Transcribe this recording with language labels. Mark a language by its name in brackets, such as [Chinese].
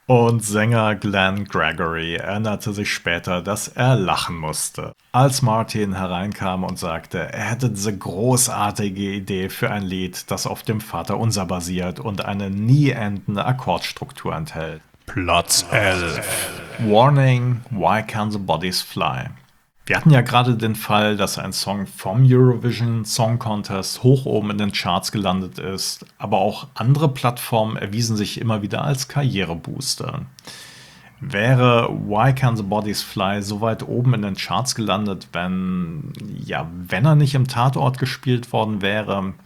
[German] Und Sänger Glenn Gregory erinnerte sich später, dass er lachen musste, als Martin hereinkam und sagte, er hätte diese großartige Idee für ein Lied, das auf dem Vater unser basiert und eine nie endende Akkordstruktur enthält. Platz 11. [English] Warning, why can the bodies fly? [German] Wir hatten ja gerade den Fall, dass ein Song vom Eurovision Song Contest hoch oben in den Charts gelandet ist, aber auch andere Plattformen erwiesen sich immer wieder als Karrierebooster. Wäre Why Can the Bodies Fly so weit oben in den Charts gelandet, wenn er nicht im Tatort gespielt worden wäre?